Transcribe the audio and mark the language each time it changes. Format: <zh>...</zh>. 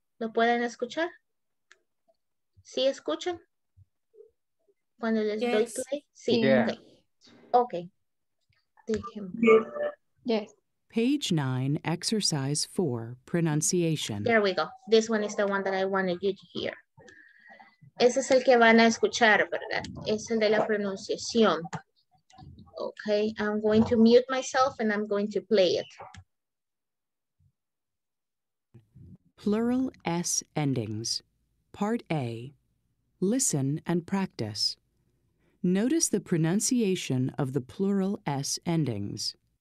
<es>¿Lo pueden escuchar? ¿Sí escuchan? Cuando les yes. doy play. Sí.</es> <en>Yeah. Okay. Okay. Yes. Page 9, exercise 4, pronunciation. There we go. This one is the one that I wanted you to hear.</en> <es>Ese es el que van a escuchar, ¿verdad? Es el de la pronunciación. Okay.</es> <en>I'm going to mute myself and I'm going to play it. Plural S endings. Part A. Listen and practice. Notice the pronunciation of the plural S endings.</en>